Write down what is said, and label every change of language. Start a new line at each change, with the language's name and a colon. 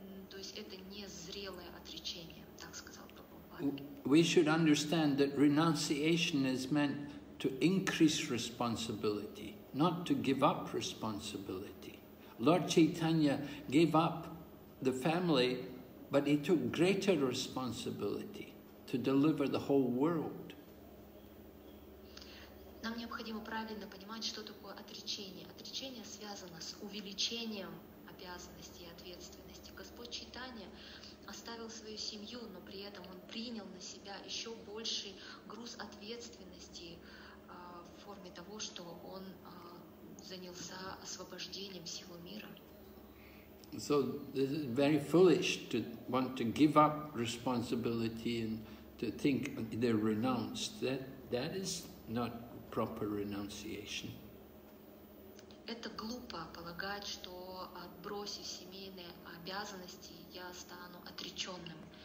Russian: То есть это не зрелое отречение, так сказал Прабхупада.
English: We should understand that renunciation is meant to increase responsibility, not to give up responsibility. Lord Chaitanya gave up the family, but he took greater responsibility to deliver the whole world.
Russian: Нам необходимо правильно понимать, что такое отречение. Отречение связано с увеличением обязанностей и ответственности. Господь Чайтанья оставил свою семью, но при этом он принял на себя еще больший груз ответственности, кроме того, что он занялся освобождением всего мира.
English: So this is very foolish to want to give up responsibility and to think they're renounced. That is not proper renunciation.
Russian: Это глупо полагать, что отбросив семейные обязанности, я стану отреченным.